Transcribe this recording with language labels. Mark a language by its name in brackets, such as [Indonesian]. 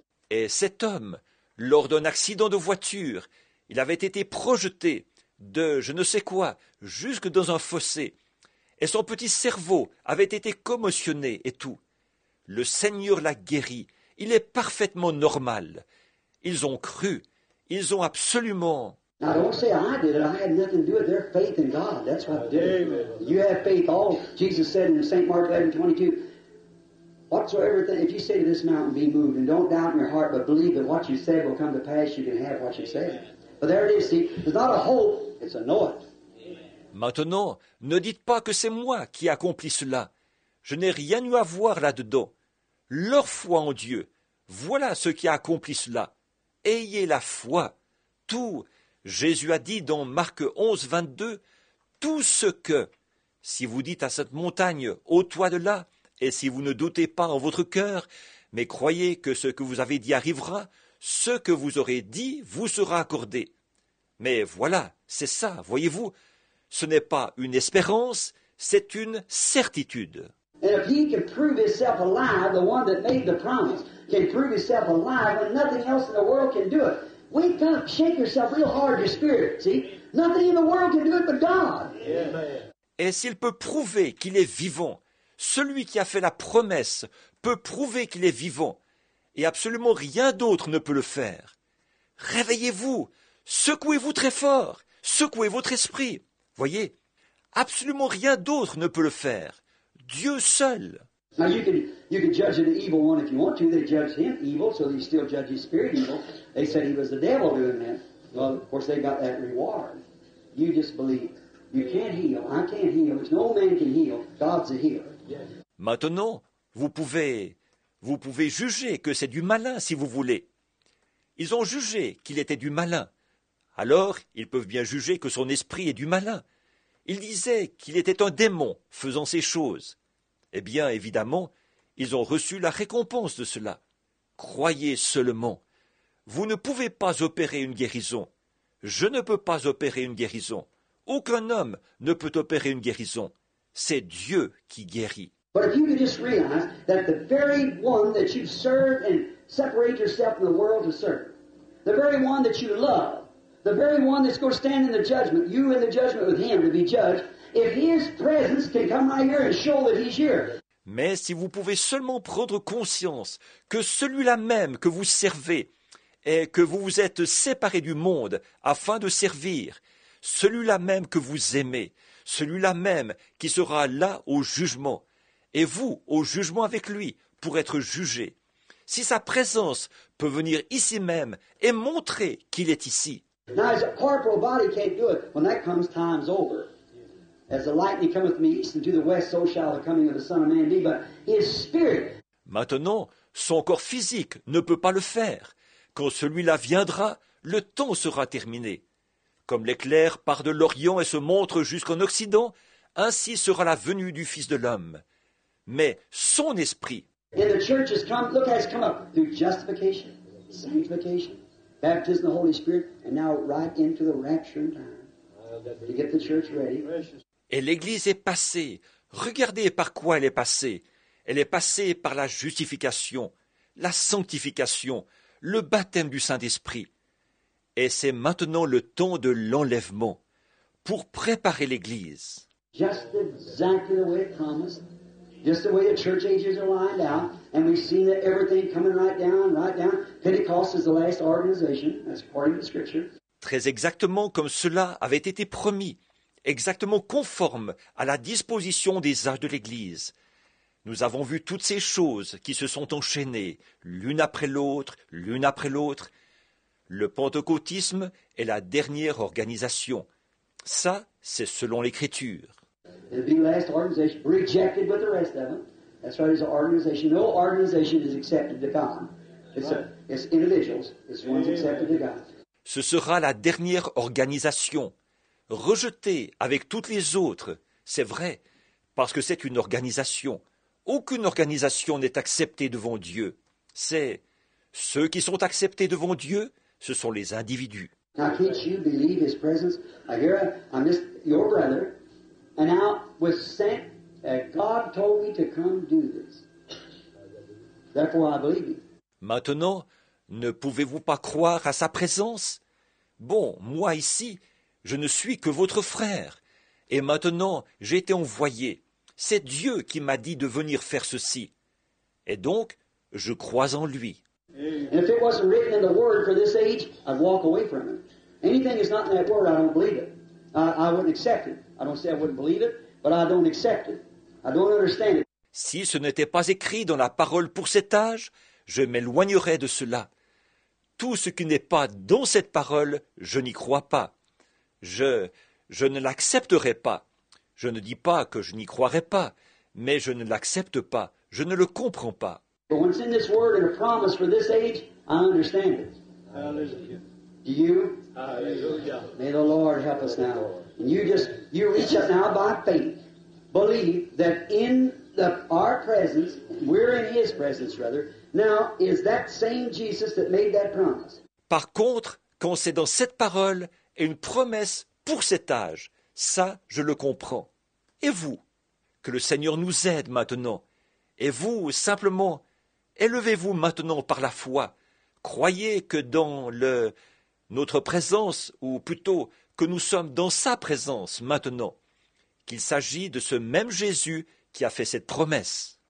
[French] Et cet homme, lors d'un accident de voiture, il avait été projeté de je ne sais quoi jusque dans un fossé. Et son petit cerveau avait été commotionné et tout. Le Seigneur l'a guéri. Il est parfaitement normal. Ils ont cru. Ils ont absolument... [English] Now don't say I did it. I had nothing to do with their faith in God. That's what I did. Amen. You have faith. All Jesus said in St. Mark 11:22. Whatsoever thing, if you say to this mountain, be moved, and don't doubt in your heart, but believe that what you say will come to pass, you can have what you say. But there it is, see, it's not a hope, it's a knowing. [French] Maintenant, ne dites pas que c'est moi qui accomplis cela. Je n'ai rien eu à voir là-dedans. leur foi en Dieu. Voilà ce qui accomplit cela. Ayez la foi. Tout, Jésus a dit dans Marc 11, 22, tout ce que, si vous dites à cette montagne, ôte-toi de là, et si vous ne doutez pas en votre cœur, mais croyez que ce que vous avez dit arrivera, ce que vous aurez dit vous sera accordé. Mais voilà, c'est ça, voyez-vous, ce n'est pas une espérance, c'est une certitude. [English] And if he can prove himself alive, the one that made the promise, can prove himself alive, and nothing else in the world can do it. Wake up, shake yourself real hard, your spirit, see? Nothing in the world can do it but God. Amen. [French] Et s'il peut prouver qu'il est vivant, celui qui a fait la promesse peut prouver qu'il est vivant, et absolument rien d'autre ne peut le faire. Réveillez-vous, secouez-vous très fort, secouez votre esprit. Voyez, absolument rien d'autre ne peut le faire. Dieu seul. [English] Now you can judge an evil one if you want to. They judge him evil, so they still judge his spirit evil. They said he was the devil doing that. Well, of course they got that reward. You just believe. You can't heal. I can't heal. There's no man can heal. God's a healer. [French] Maintenant, vous pouvez juger que c'est du malin si vous voulez. Ils ont jugé qu'il était du malin. Alors, ils peuvent bien juger que son esprit est du malin. Ils disaient qu'il était un démon faisant ces choses. Eh bien, évidemment, ils ont reçu la récompense de cela. Croyez seulement. Vous ne pouvez pas opérer une guérison. Je ne peux pas opérer une guérison. Aucun homme ne peut opérer une guérison. C'est Dieu qui guérit. [English] But if you could just realize that the very one that you serve and separate yourself from the world to serve, the very one that you love, the very one that's going to stand in the judgment, you in the judgment with him to be judged, if his presence can come right here and show that he's here. [French] Mais si vous pouvez seulement prendre conscience que celui-là même que vous servez et que vous vous êtes séparé du monde afin de servir, celui-là même que vous aimez, celui-là même qui sera là au jugement, et vous au jugement avec lui pour être jugé, si sa présence peut venir ici même et montrer qu'il est ici. [English] Now his corporal body can't do it. When that comes, time's over. As the lightning cometh from the east and to the west, so shall the coming of the Son of Man be. But his spirit. [French] Maintenant, son corps physique ne peut pas le faire. Quand celui-là viendra, le temps sera terminé. Comme l'éclair part de l'Orient et se montre jusqu'en Occident, ainsi sera la venue du Fils de l'homme. Mais son esprit. [English] And the church has come, look, has come up through justification, sanctification, baptism of the Holy Spirit, and now right into the rapture in time to get the church ready. [French] Et l'Église est passée. Regardez par quoi elle est passée. Elle est passée par la justification, la sanctification, le baptême du Saint-Esprit. Et c'est maintenant le temps de l'enlèvement pour préparer l'Église. [English] Just exactly the way it promised. Just the way the church ages are lined out. And we've seen that everything coming right down, Pentecost is the last organization. That's according to the Scripture. [French] Très exactement comme cela avait été promis, exactement conforme à la disposition des âges de l'Église. Nous avons vu toutes ces choses qui se sont enchaînées, l'une après l'autre, l'une après l'autre. Le pentecôtisme est la dernière organisation. Ça, c'est selon l'Écriture. [English] It'll be the last organization, rejected with the rest of them. That's right, it's an organization. No organization is accepted to God. It's individuals, it's ones accepted to God. [French] Ce sera la dernière organisation. Rejeté avec toutes les autres, c'est vrai, parce que c'est une organisation. Aucune organisation n'est acceptée devant Dieu. C'est ceux qui sont acceptés devant Dieu, ce sont les individus. [English] Now can't you believe his presence? I miss your brother, and now was sent that God told me to come do this. Therefore I believe you. [French] Maintenant, ne pouvez-vous pas croire à sa présence? Bon, moi ici, je ne suis que votre frère. Et maintenant, j'ai été envoyé. C'est Dieu qui m'a dit de venir faire ceci. Et donc, je crois en lui. [English] And if it wasn't written in the Word for this age, I'd walk away from it. Anything that's not in that Word, I don't believe it. I wouldn't accept it. I don't say I wouldn't believe it, but I don't accept it. I don't understand it. [French] Si ce n'était pas écrit dans la parole pour cet âge, je m'éloignerais de cela. Tout ce qui n'est pas dans cette parole, je n'y crois pas. Je ne l'accepterai pas. Je ne dis pas que je n'y croirai pas, mais je ne l'accepte pas. Je ne le comprends pas. [English] But when it's in this word and a promise for this age, I understand it. Hallelujah. Do you? Hallelujah. May the Lord help us now. And you reach up now by faith. Believe that in our presence, we're in His presence, rather. Now, is that same Jesus that made that promise? [French] Par contre, quand c'est dans cette parole et une promesse pour cet âge, ça, je le comprends. Et vous, que le Seigneur nous aide maintenant. Et vous, simplement, élevez-vous maintenant par la foi. Croyez que dans notre présence, ou plutôt que nous sommes dans sa présence maintenant, qu'il s'agit de ce même Jésus qui a fait cette promesse.